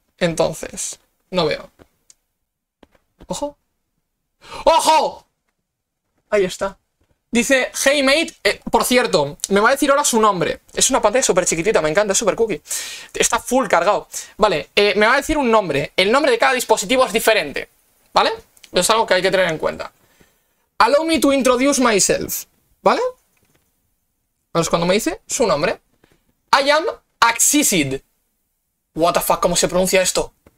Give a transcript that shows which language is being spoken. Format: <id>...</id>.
<es>Entonces, no veo. ¡Ojo! ¡Ojo! Ahí está. Dice,</es> <en>hey mate,</en> <es>por cierto, me va a decir ahora su nombre. Es una pantalla súper chiquitita, me encanta, es súper cookie. Está full cargado. Vale, me va a decir un nombre. El nombre de cada dispositivo es diferente. ¿Vale? Es algo que hay que tener en cuenta.</es> <en>Allow me to introduce myself.</en> <es>¿Vale? Es cuando me dice su nombre.</es> <en>I am Axisid. What the fuck,</en> <es>¿cómo se pronuncia esto?</es>